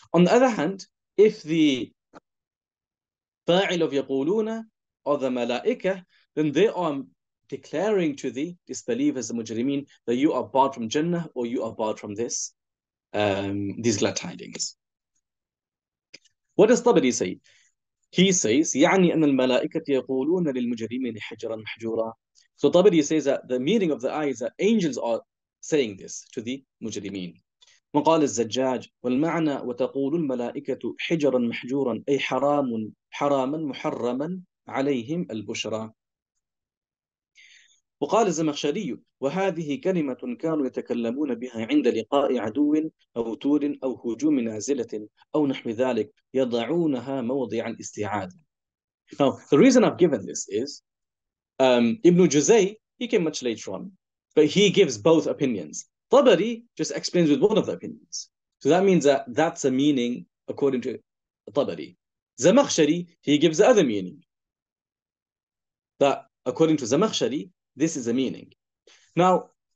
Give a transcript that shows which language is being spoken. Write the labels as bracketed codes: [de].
[en] On the other hand, if the fa'il of يَقُولُونَ are the malaika, then they are declaring to the disbelievers, the mujrimeen, that you are barred from Jannah or you are barred from this, these glad tidings. What does Tabari say? He says, [ar] يعني أن الملائكة يقولون للمجرمين حجرا محجورا. [en] So Tabari says that the meaning of the ayah is that angels are saying this to the مجرمين. [ar] وقال الزجاج والمعنى وتقول الملائكة حجرا محجورا أي حرام حراما محرما عليهم البشرى. وقال الزمخشري وهذه كلمة كانوا يتكلمون بها عند لقاء عدو أو تور أو هجوم نازلة أو نحو ذلك يضعونها موضع الاستعادة. [en] Now the reason I've given this is Ibn Juzay, he came much later on, but he gives both opinions. Tabari just explains with one of the opinions, so that means that that's a meaning according to Tabari. Zamakhshari, he gives the other meaning, that according to Zamakhshari, this is a meaning. Now,